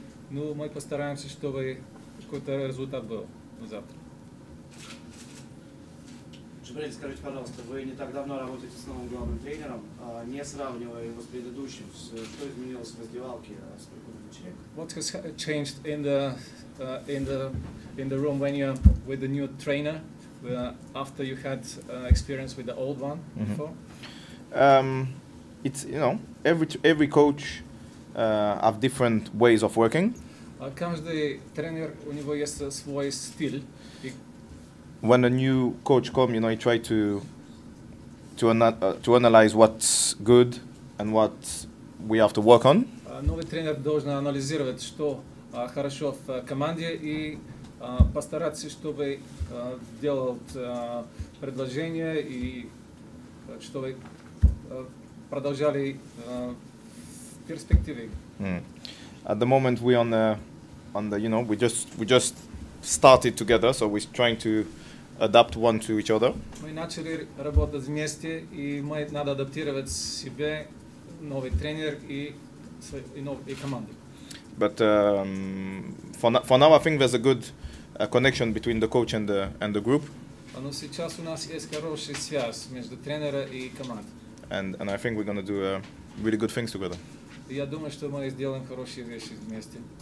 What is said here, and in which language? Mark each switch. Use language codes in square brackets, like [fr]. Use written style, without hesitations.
[uk] Ну, ми постараємося, щоб якийсь результат був завтра. [ru] Скажите, пожалуйста, вы не так давно работаете с новым главным тренером, не сравнивая его с предыдущим, что изменилось в раздевалке, сколько [en] What has changed in the room when you're with the new trainer, after you had experience with the old one before? Mm-hmm. It's, you know, every coach have different ways of working. [ru] Каждый тренер, у него есть свой стиль. [en] When a new coach comes, you know, he try to analyze what's good and what we have to work on. [ru] Новый тренер должен анализировать, что хорошо в команде и постараться, чтобы делать предложения и чтобы продолжали перспективы. [en] At the moment we on the you know, we just started together, so we're trying to adapt one to each other. [uk] Ми почали працювати вместе, і ми надо адаптувати себе, новий тренер і команди. [en] But for now I think there's a good connection between the coach and the group. [uk] Ну зараз у нас є хороша зв'язь між тренером і командою. [en] And I think we're going to do really good things together. [uk] Я думаю, що ми зробимо хороші речі вместе.